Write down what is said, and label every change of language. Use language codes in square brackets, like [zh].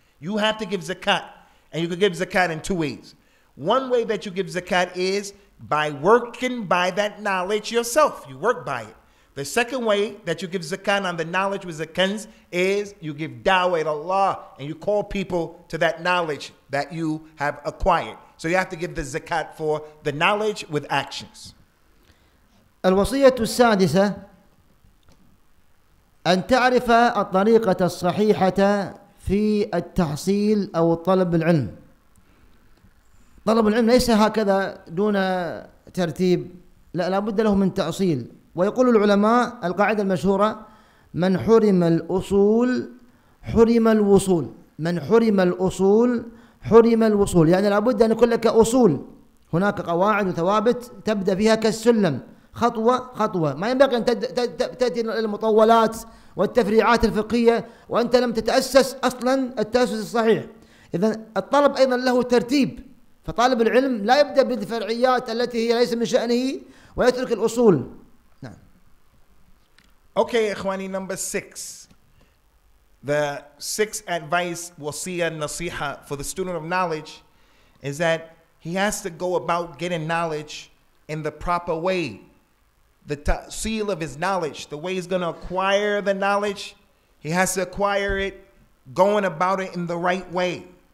[en] You have to give zakat, and you can give zakat in two ways. One way that you give zakat is by working by that knowledge yourself. You work by it. The second way that you give zakat on the knowledge with zakans is you give da'wah to Allah and you call people to that knowledge that you have acquired. So you have to give the zakat for the knowledge with actions. [ar] الوصية السادسة أن تعرف الطريقة الصحيحة في التحصيل أو طلب العلم. طلب العلم ليس هكذا دون ترتيب لا بد له من تأصيل ويقول العلماء القاعدة المشهورة من حرم الأصول حرم الوصول من حرم الأصول حرم الوصول يعني لا بد أن يكون لك أصول هناك قواعد وثوابت تبدأ فيها كالسلم خطوة خطوة ما ينبغي أن تأتي المطولات والتفريعات الفقهية وأنت لم تتأسس أصلا التأسس الصحيح إذن الطلب أيضا له ترتيب فطالب العلم لا يبدأ بالفرعيات التي هي ليس من شأنه ويترك الأصول. نعم. [en] Okay, [ar] إخواني, [en] number six. The sixth advice, wasiyah, nasiha for the student of knowledge is that he has to go about getting knowledge in the proper way. The ta'seel of his knowledge, the way he's going to acquire the knowledge, he has to acquire it going about it in the right way.